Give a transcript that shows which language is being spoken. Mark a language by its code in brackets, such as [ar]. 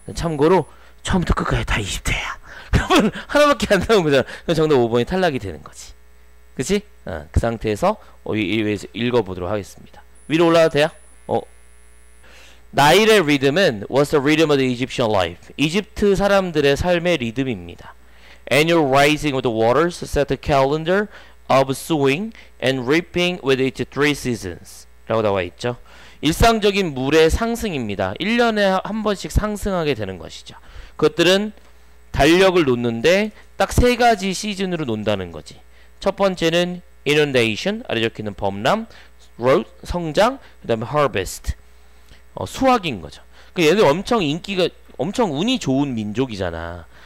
[ko] 참고로 처음부터 끝까지 다 20대야 그러면 하나밖에 안 나온 거잖아. 정답 5번이 탈락이 되는 거지. 그치? 그 상태에서 읽어보도록 하겠습니다. [en] 위로 올라와도 돼요? [ko] 나일의 리듬은 [en] What's the rhythm of the Egyptian life? [ko] 이집트 사람들의 삶의 리듬입니다. [en] Annual rising of the waters set the calendar of sowing and reaping with its three seasons [ko] 라고 나와 있죠. 일상적인 물의 상승입니다. 1년에 한 번씩 상승하게 되는 것이죠. 그것들은 달력을 놓는데 딱 세 가지 시즌으로 논다는 거지. 첫 번째는 inundation, 아래 적히는 범람, growth, 성장, 그 다음에 harvest, 수확인 거죠. 얘네들 엄청 인기가, 엄청 운이 좋은 민족이잖아.